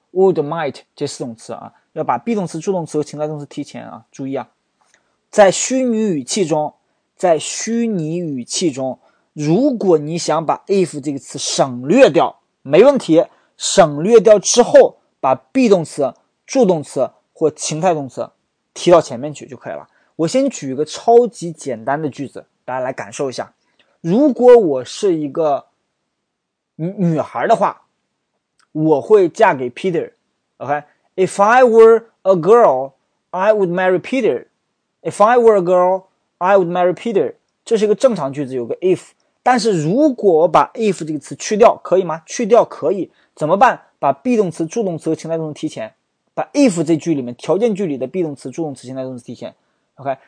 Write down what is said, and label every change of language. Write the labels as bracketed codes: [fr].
[zh] Would, might 这四种词啊，要把 be 动词、助动词和情态动词提前啊，注意啊，在虚拟语气中，如果你想把 if 这个词省略掉，没问题，省略掉之后，把 be 动词、助动词或情态动词提到前面去就可以了。我先举一个超级简单的句子，大家来感受一下。如果我是一个女孩的话。我会嫁给 Peter， OK？ [en] If I were a girl, I would marry Peter. If I were a girl, I would marry Peter. [zh] 这是一个正常句子，有个 if。但是如果把 if 这个词去掉，可以吗？去掉可以。怎么办？把 be 动词、助动词和情态动词提前，把 if 这句里面条件句里的 be 动词、助动词、情态动词提前， OK？